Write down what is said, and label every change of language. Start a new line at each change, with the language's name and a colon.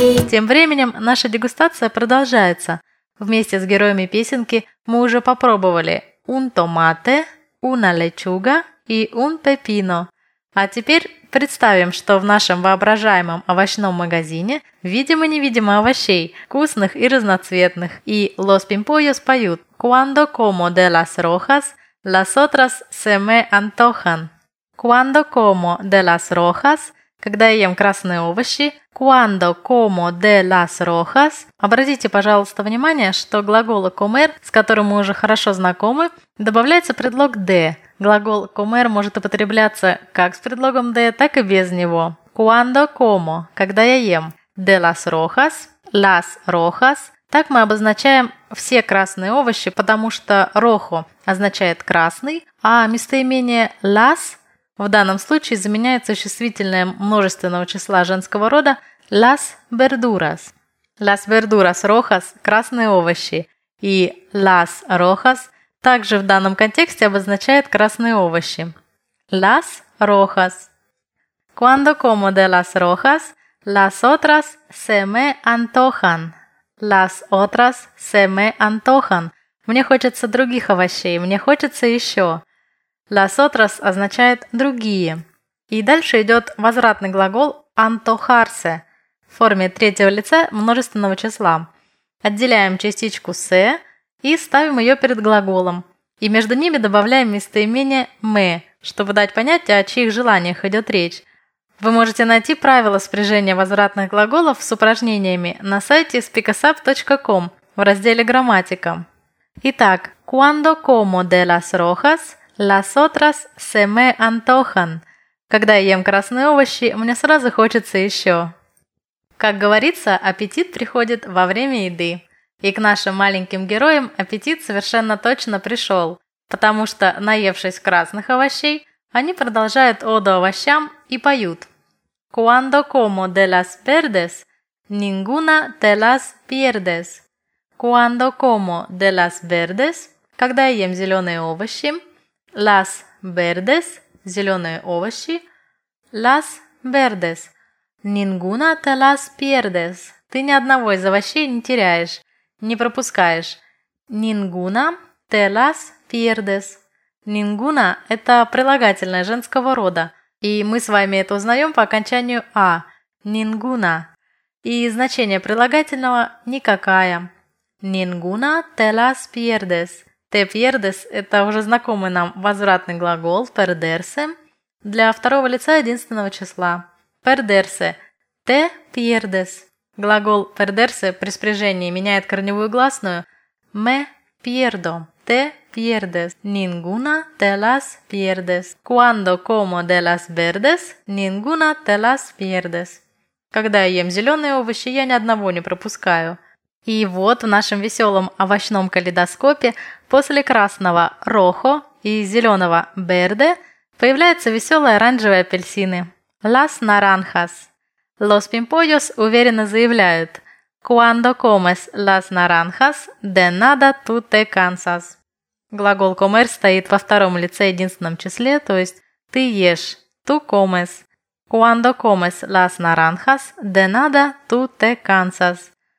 Russian: Тем временем наша дегустация продолжается. Вместе с героями песенки мы уже попробовали
Spanish: un tomate, una lechuga
Russian: и
Spanish: un pepino.
Russian: А теперь представим, что в нашем воображаемом овощном магазине видимо и невидимо овощей, вкусных и разноцветных. И
Spanish: los pimpollos
Russian: поют
Spanish: «Cuando como de las rojas, las otras se me antojan». «Cuando como de las rojas»,
Russian: когда я ем красные овощи,
Spanish: «Cuando como de las rojas».
Russian: Обратите, пожалуйста, внимание, что глагол «comer», с которым мы уже хорошо знакомы, добавляется предлог «de». Глагол «comer» может употребляться как с предлогом «de», так и без него.
Spanish: «Cuando como»,
Russian: когда я ем,
Spanish: «de las rojas», «las rojas».
Russian: Так мы обозначаем все красные овощи, потому что «rojo» означает «красный», а местоимение «las» в данном случае заменяет существительное множественного числа женского рода «las verduras».
Spanish: «Las verduras rojas» –
Russian: красные овощи. И
Spanish: «las rojas»
Russian: также в данном контексте обозначает красные овощи.
Spanish: «Las rojas». «Cuando como de las rojas, las otras se me antojan». «Las otras se me antojan».
Russian: «Мне хочется других овощей, мне хочется еще».
Spanish: «Las otras»
Russian: означает «другие». И дальше идет возвратный глагол «antojarse» в форме третьего лица множественного числа. Отделяем частичку «se» и ставим ее перед глаголом. И между ними добавляем местоимение «me», чтобы дать понятие, о чьих желаниях идет речь. Вы можете найти правила спряжения возвратных глаголов с упражнениями на сайте speakasap.com в разделе «Грамматика».
Spanish: Итак, «cuando como de las rojas», «Las otras se me antojan».
Russian: Когда я ем красные овощи, мне сразу хочется еще. Как говорится, аппетит приходит во время еды. И к нашим маленьким героям аппетит совершенно точно пришел, потому что, наевшись красных овощей, они продолжают оду овощам и поют.
Spanish: «Cuando como de las verdes, ninguna te las pierdes». «Cuando como de las verdes»,
Russian: когда я ем зеленые овощи,
Spanish: «Las verdes» –
Russian: зеленые овощи.
Spanish: «Las verdes» – «Ninguna te las pierdes»
Russian: – ты ни одного из овощей не теряешь, не пропускаешь.
Spanish: «Ninguna te las pierdes»
Russian: – «Ninguna» – это прилагательное женского рода, и мы с вами это узнаем по окончанию «a» – «Ninguna». И значение прилагательного – «никакая».
Spanish: «Ninguna te las pierdes» – «te pierdes»
Russian: – это уже знакомый нам возвратный глагол «perderse» для второго лица единственного числа.
Spanish: «Perderse» – «te pierdes».
Russian: Глагол «perderse» при спряжении меняет корневую гласную
Spanish: «me pierdo» – «te pierdes». «Ninguna te las pierdes». «Cuando como de las verdes, ninguna te las pierdes».
Russian: Когда я ем зеленые овощи, я ни одного не пропускаю. И вот в нашем веселом овощном калейдоскопе после красного rojo и зеленого verde появляются веселые оранжевые апельсины.
Spanish: Las naranjas. Los pimpollos
Russian: уверенно заявляют:
Spanish: Cuando comes las naranjas, de nada tú te cansas.
Russian: Глагол comer стоит во втором лице единственном числе, то есть ты ешь,
Spanish: tú comes. Cuando comes las naranjas, de nada tú te cansas.